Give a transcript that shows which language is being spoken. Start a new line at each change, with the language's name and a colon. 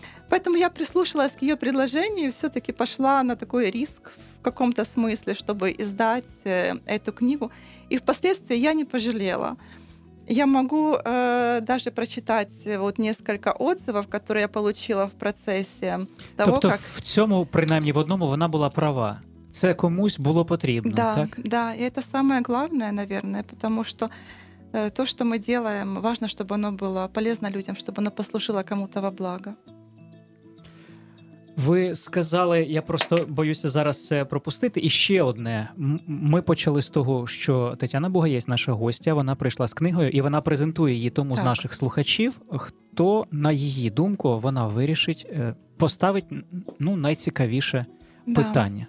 Russian: Поэтому я прислушалась к ее предложению и все-таки пошла на такой риск в каком-то смысле, чтобы издать эту книгу. И впоследствии я не пожалела. Я могу даже прочитать вот несколько отзывов, которые я получила в процессе того, тобто, как...
Ukrainian: в цьому, принаймні, в одному вона була права. Це комусь було потрібно,
Russian: да,
Ukrainian: так?
Russian: Да, и это самое главное, наверное, потому что то, что мы делаем, важно, чтобы оно было полезно людям, чтобы оно послужило кому-то во благо.
Ukrainian: Ви сказали, я просто боюся зараз це пропустити, і ще одне. Ми почали з того, що Тетяна Бугаєць, наша гостя, вона прийшла з книгою, і вона презентує її тому так. З наших слухачів, хто, на її думку, вона вирішить поставити найцікавіше питання.